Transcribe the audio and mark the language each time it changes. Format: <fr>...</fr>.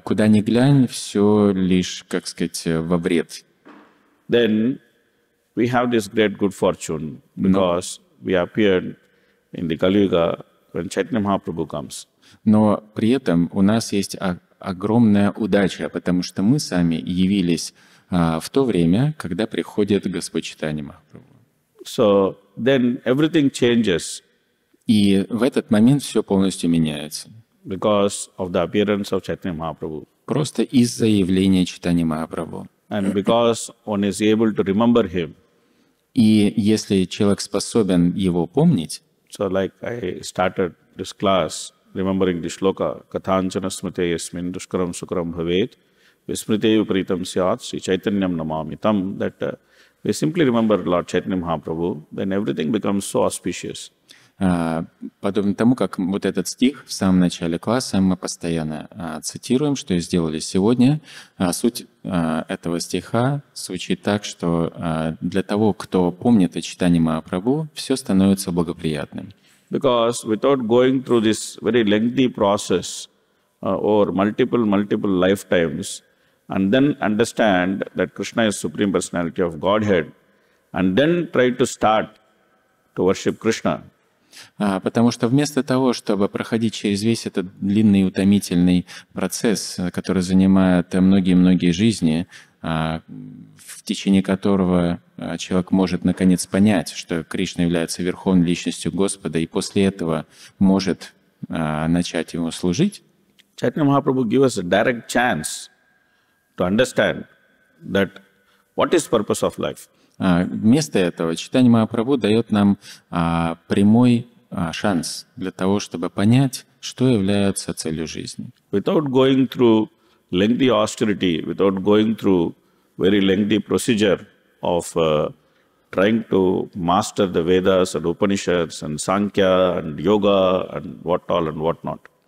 <ru>Куда ни глянь, все лишь, как сказать, во вред.</ru> <en>Then we have this great good fortune because we appeared in the Kali Yuga when Chaitanya Mahaprabhu comes.</en> <ru>Но при этом у нас есть огромная удача, потому что мы сами явились в то время, когда приходит Господь Чайтанья Махапрабху.</ru> <en>So then everything changes.</en> <ru>И в этот момент все полностью меняется.</ru> <en>Because of the appearance of Chaitanya Mahaprabhu.</en> <ru>Просто из-за явления Чайтанья Махапрабху.</ru> <en>And because one is able to remember him.</en> <ru>И если человек способен его помнить,</ru> <en>so like I started this class remembering the shloka</en> <sa>kathanchana smrite yasmin duskaram sukaram bhavet vismrite vipritam syat sri chaitanyam namami tam,</sa> <en>that we simply remember Lord Chaitanya Mahaprabhu, then everything becomes so auspicious.</en> <ru>Подобно тому, как вот этот стих в самом начале класса мы постоянно цитируем, что и сделали сегодня. Суть этого стиха звучит так, что для того, кто помнит о Чайтанье Махапрабху, все становится благоприятным.</ru> <en>Because without going through this very lengthy process over multiple lifetimes and then understand that Krishna is Supreme Personality of Godhead and then try to start to worship Krishna.</en> <ru>Потому что вместо того, чтобы проходить через весь этот длинный и утомительный процесс, который занимает многие-многие жизни, в течение которого человек может наконец понять, что Кришна является Верховной Личностью Господа, и после этого может начать Ему служить,</ru> <en>Чайтанья Махапрабху gives us a direct chance to understand that what is purpose of life.</en> <ru>Вместо этого Чайтанья Махапрабху дает нам прямой шанс для того, чтобы понять, что является целью жизни.</ru> <en>Without going through lengthy austerity, without going through very lengthy procedure of trying to master the Vedas and Upanishads and Sankhya and Yoga and what all and what not.</en>